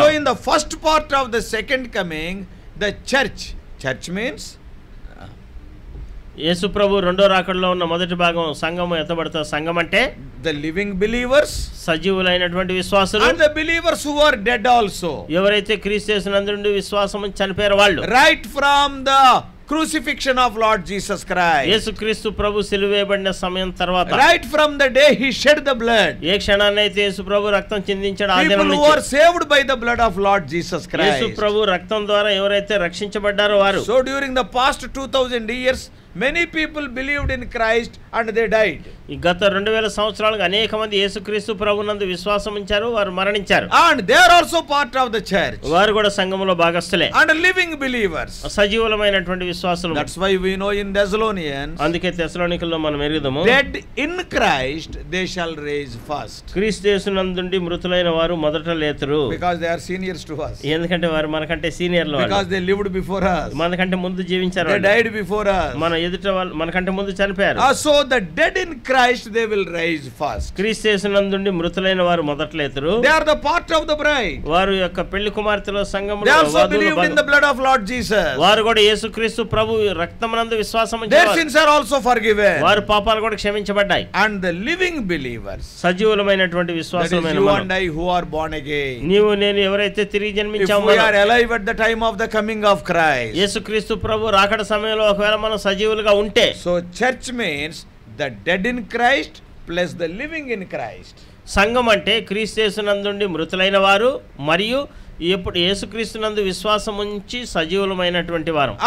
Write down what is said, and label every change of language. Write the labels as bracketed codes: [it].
[en] so in the first part of the second coming the church, church means [te] యేసు ప్రభు రెండో రాకడలో ఉన్న మొదటి భాగం సంఘం ఎత్తబడతా. సంఘం అంటే [en] the living believers, [te] సజీవులైనటువంటి విశ్వాసులు. [en] and the believers who are dead also, [te] ఎవరైతే క్రీస్తు యేసు నందు విశ్వాసం చనిపోయారు వాళ్ళు. [en] right from the crucifixion of Lord Jesus Christ, [te] యేసు క్రీస్తు ప్రభు సిలువేయబడిన సమయం తర్వాత, [en] right from the day he shed the blood, [te] ఏ క్షణానైతే యేసు ప్రభు రక్తం చిందించాడు, ఆ దినం నుంచి [en] people who are saved by the blood of Lord Jesus Christ, [te] యేసు ప్రభు రక్తం ద్వారా ఎవరైతే రక్షించబడ్డారో వారు. [en] So during the past 2000 years Many people believed in Christ and they died. [te] గత 2000 సంవత్సరాలుగా అనేక మంది యేసుక్రీస్తు ప్రభువునందు విశ్వాసం ఉంచారు, వారు మరణించారు. [en] And they are also part of the church. [te] వారు కూడా సంఘములో భాగస్థులే. [en] And living believers. [te] సజీవులమైనటువంటి విశ్వాసులు. [en] That's why we know in Thessalonians. [te] అందుకే తెస్సలోనికల్లో మనం ఎరుగుదాము. [en] Dead in Christ they shall raise first. [te] క్రీస్తు యేసునందుండి మృతులైన వారు మొదట లేతురు. [en] Because they are seniors to us. [te] ఎందుకంటే వారు మనకంటే సీనియర్లు. [en] Because they lived before us. [te] మనకంటే ముందు జీవించారు. [en] They died before us. [te] ఎదుట వాళ్ళు మనకంటే ముందు చనిపోయారు. [en] So the dead in Christ they will rise first. [te] క్రీస్తు యేసునందుండి మృతులైన వారు మొదట లేతురు. [en] They are the part of the bride. [te] వారు యొక్క పెళ్లి కుమార్తెలో సంఘములో. [en] They also believed in the blood of Lord Jesus. [te] వారు కూడా యేసుక్రీస్తు ప్రభు రక్తమునందు విశ్వాసం ఉంచారు. [en] Their sins are also forgiven. [te] వారు పాపాలు కూడా క్షమించబడ్డాయి. [en] And the living believers. [te] సజీవులమైనటువంటి విశ్వాసులమైన మనం. [en] You and I who are born again. [te] నీవు నేను ఎవరైతే తిరిగి జన్మించామో. [en] We are alive at the time of the coming of Christ. [te] యేసుక్రీస్తు ప్రభు రాకడ సమయంలో ఒకవేళ మనం సజీవులుగా ఉంటే. [en] So church means the dead in Christ plus the living in Christ. [te] సంఘం అంటే క్రీస్తు యేసునందుండి మృతులైన వారు మరియు ఇప్పుడు యేసుక్రీస్తునందు విశ్వాసం ఉంచి సజీవులమైనటువంటి వారు.